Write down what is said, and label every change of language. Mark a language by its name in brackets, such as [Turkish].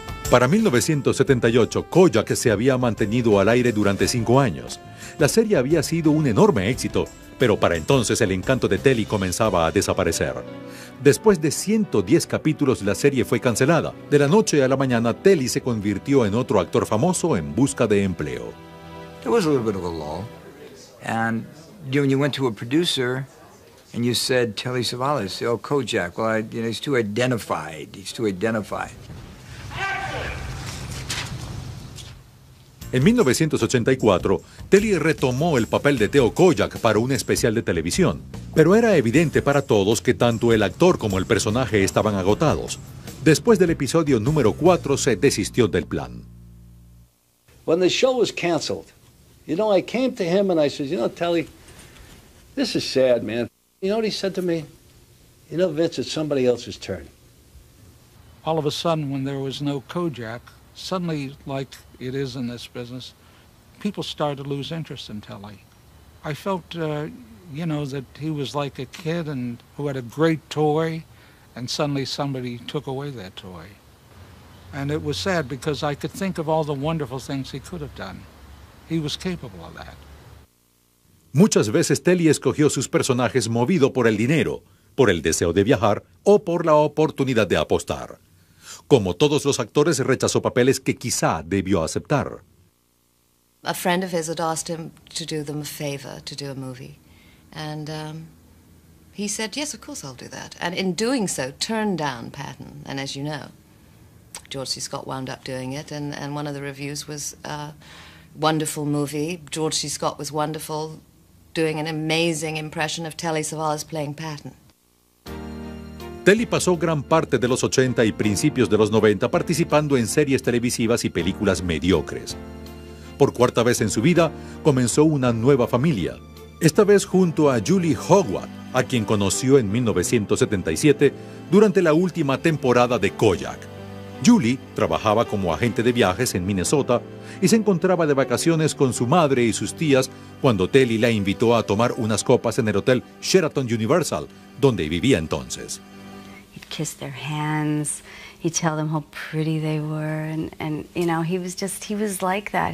[Spanish] Para 1978, Kojak se había mantenido al aire durante 5 años. La serie había sido un enorme éxito, pero para entonces el encanto de Telly comenzaba a desaparecer. Después de 110 capítulos, la serie fue cancelada. De la noche a la mañana, Telly se convirtió en otro actor famoso en busca de empleo. [English] There was a little bit of a lull. And when you went to a producer and you said Telly Savalas, oh, Kojak, well, he's too identified. He's too identified. [Spanish] En 1984, Telly retomó el papel de Teo Kojak para un especial de televisión. Pero era evidente para todos que tanto el actor como el personaje estaban agotados. Después del episodio número 4, se desistió del plan. [English] When the show was canceled, you know, I came to him and I said, you know, Telly, this is sad, man. You know what he said to me? You know, Vince, it's somebody else's turn. All of a sudden, when there was no Kojak, suddenly, like it is in this business, people started to lose interest in Telly. I felt, you know, that he was like a kid and who had a great toy, and suddenly somebody took away that toy. And it was sad because I could think of all the wonderful things he could have done. He was capable of that. [Spanish] Muchas veces Telly escogió sus personajes movido por el dinero, por el deseo de viajar o por la oportunidad de apostar. Como todos los actores, rechazó papeles que quizá debió aceptar. [English] A friend of his had asked him to do them a favor, to do a movie. And he said, yes, of course I'll do that. And in doing so, turned down Patton. And as you know, George C. Scott wound up doing it. And one of the reviews was a wonderful movie. George C. Scott was wonderful. Doing an amazing impression of Telly Savalas playing Patton. [Spanish] Telly pasó gran parte de los 80 y principios de los 90 participando en series televisivas y películas mediocres. Por cuarta vez en su vida, comenzó una nueva familia. Esta vez junto a Julie Howard, a quien conoció en 1977 durante la última temporada de Kojak. Julie trabajaba como agente de viajes en Minnesota y se encontraba de vacaciones con su madre y sus tías cuando Telly la invitó a tomar unas copas en el hotel Sheraton Universal, donde vivía entonces. [English] He'd kiss their hands, he'd tell them how pretty they were, and you know, he was like that.